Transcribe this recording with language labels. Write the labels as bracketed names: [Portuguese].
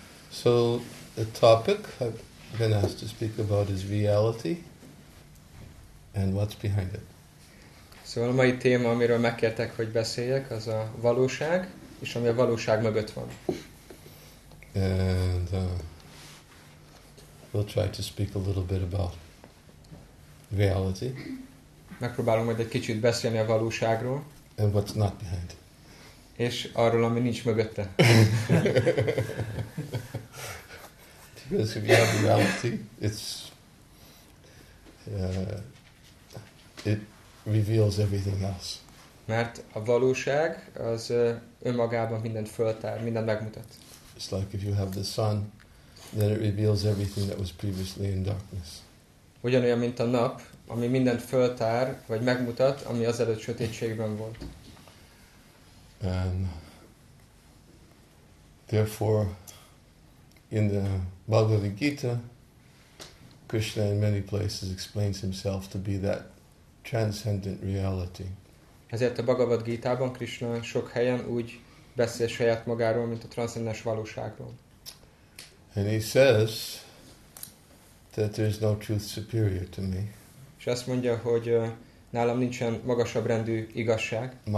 [English] So, the topic I've been asked to speak about is reality and what's behind it. [Hungarian] Szóval a mai téma, amiről megkértek, hogy beszéljek, az a valóság, és ami a valóság mögött van. [English] And we'll try to speak a little bit about reality. [Hungarian] Megpróbálom majd egy kicsit beszélni a valóságról. [English] And what's not behind it. [Hungarian] És arról, ami nincs mögötte. [English] Because if you have reality, it's it reveals everything else. [Hungarian] Mert a valóság az önmagában mindent föltár, mindent megmutat. [English] It's like if you have the sun, then it reveals everything that was previously in darkness. [Hungarian] Ugyanolyan, mint a nap, ami mindent föltár, vagy megmutat, ami azelőtt sötétségben volt. [English] And therefore, in the Bhagavad Gita, Krishna in many places explains himself to be that transcendent reality. [Hungarian] Ezért a Bhagavad Gita-ban Krishna sok helyen úgy beszél saját magáról, mint a transzcendens valóságról. [English] And he says that there is no truth superior to me. [Hungarian] És azt mondja, hogy nálam nincsen magasabb rendű igazság.